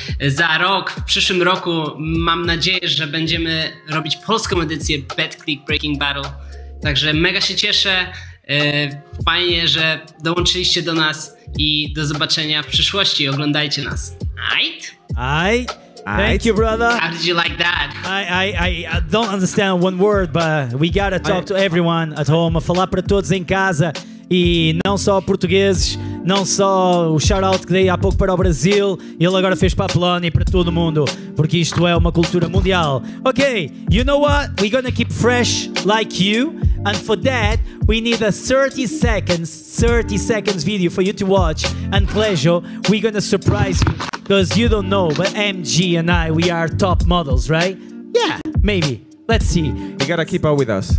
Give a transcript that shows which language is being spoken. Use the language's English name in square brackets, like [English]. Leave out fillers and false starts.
[Polish] Za rok, w przyszłym roku mam nadzieję, że będziemy robić polską edycję Betclic Breaking Battle. Także mega się cieszę, fajnie, że dołączyliście do nas i do zobaczenia w przyszłości, oglądajcie nas. Ajt? [English] Ajt? Thank you, brother. How did you like that? I don't understand one word, but we gotta talk to everyone at home. [Portuguese] Falar para todos em casa. E não só portugueses, não só o shout-out que dei há pouco para o Brasil. Ele agora fez para a Polónia e para todo mundo, porque isto é uma cultura mundial. [English] Ok, you know what? We're gonna keep fresh like you. And for that, we need a 30 seconds video for you to watch. And Clejo, we're gonna surprise you. Because you don't know, but MG and I, we are top models, right? Yeah, maybe. Let's see. You gotta keep up with us.